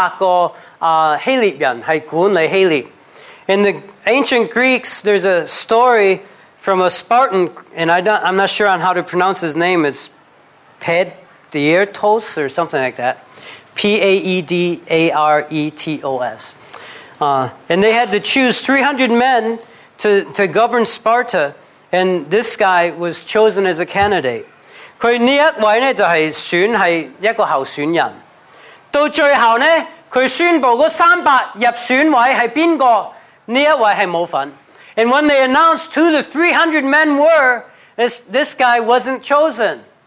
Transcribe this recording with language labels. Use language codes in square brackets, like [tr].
[zh] 在古希臘的時候，我不懂得說他的名字，但是他當時就選300個希臘人去管理希臘。 [en] In the ancient Greeks, there's a story from a Spartan, and I'm not sure on how to pronounce his name, it's Paedartos or something like that. Paedartos. And they had to choose 300 men to govern Sparta, and this guy was chosen as a candidate. [zh] 他这一位就是选是一个候选人。到最后呢，他宣布那300入选位是谁，这一位是没份。 [en] And when they announced who the 300 men were, this guy wasn't chosen.